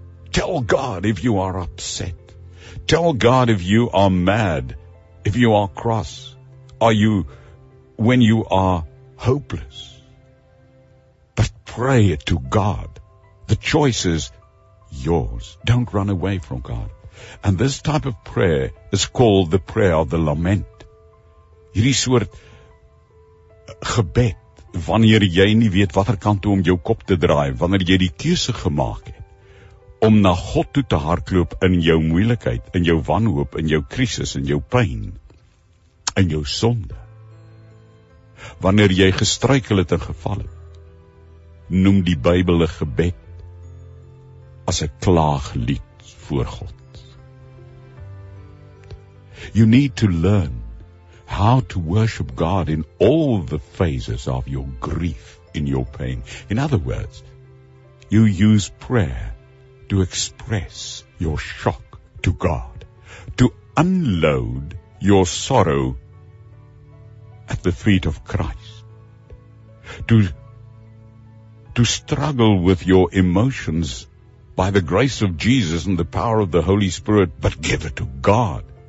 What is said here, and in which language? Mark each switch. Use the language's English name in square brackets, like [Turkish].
[English] Tell God if you are upset. Tell God if you are mad, if you are cross, when you are hopeless. But pray it to God. The choice is yours. Don't run away from God. And this type of prayer is called the prayer of the lament. [Afrikaans] Hierdie soort gebed, wanneer jy nie weet watter kant toe om jou kop te draai, wanneer jy die keuse gemaak het om na God toe te hardloop in jou moeilikheid, in jou wanhoop, in jou krisis, in jou pyn, in jou sonde. Wanneer jy gestruikel het en geval het, noem die Bybel 'n gebed as 'n klaaglied voor God. [English] You need to learn how to worship God in all the phases of your grief, in your pain. In other words, you use prayer to express your shock to God, to unload your sorrow at the feet of Christ, to struggle with your emotions by the grace of Jesus and the power of the Holy Spirit, but give it to God.